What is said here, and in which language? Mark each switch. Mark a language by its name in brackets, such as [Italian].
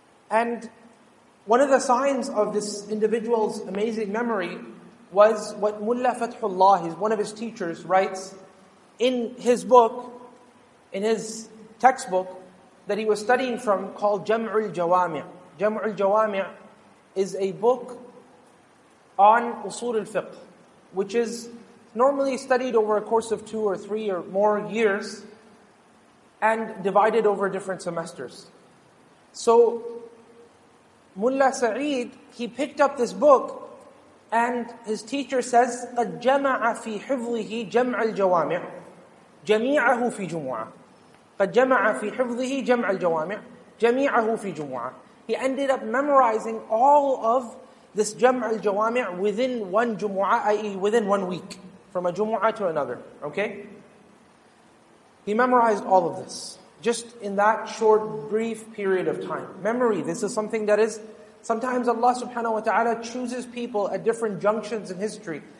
[English] And one of the signs of this individual's amazing memory was what Mullah Fathullah, one of his teachers, writes in his book, in his textbook that he was studying from called Jam'ul Jawami'. Jam'ul Jawami' is a book on Usul al-Fiqh, which is normally studied over a course of 2 or 3 or more years and divided over different semesters. So Mullah Sa'id, he picked up this book and his teacher says, [Arabic] قَدْ جَمَعَ فِي حِفْظِهِ جَمْعَ الْجَوَامِعِ جَمِيعَهُ فِي جُمُعَةٍ فَجَّمَعَ فِي حِفْظِهِ جَمْعَ الْجَوَامِعِ جَمِيعَهُ فِي جُمُعَةٍ. [English] He ended up memorizing all of this جَمْعَ الْجَوَامِعِ within one Jumu'ah, i.e. within 1 week, from a Jumu'ah to another, okay? He memorized all of this, just in that short, brief period of time. Memory, this is something that is, sometimes Allah subhanahu wa ta'ala chooses people at different junctions in history.